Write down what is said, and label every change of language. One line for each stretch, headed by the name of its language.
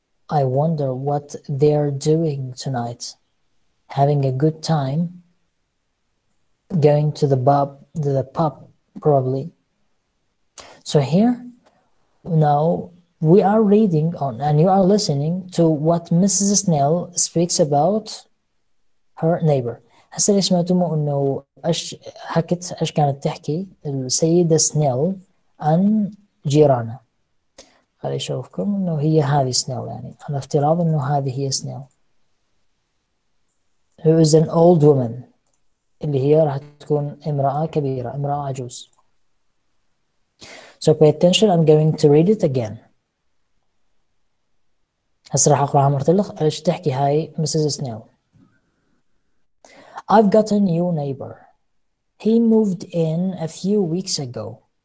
English: I wonder what they're doing tonight. Having a good time. Going to the pub, probably. So here, now we are reading on, and you are listening to what Mrs. Snell speaks about her neighbor.
Arabic: هسه سمعتم انه ايش حكت ايش كانت تحكي السيدة سنيل عن جيرانها. خلي اشوفكم انه هي هذه سنيل يعني على افتراض انه هذه هي سنيل.
English: Who is an old woman.
Arabic: اللي هي راح تكون امرأة كبيرة امرأة عجوز.
English: So pay attention, I'm going to read it again.
Arabic: هسه راح اقراها مرتلخ ايش تحكي هاي مسز سنيل.
English: I've got a new neighbor. He moved in a few weeks ago.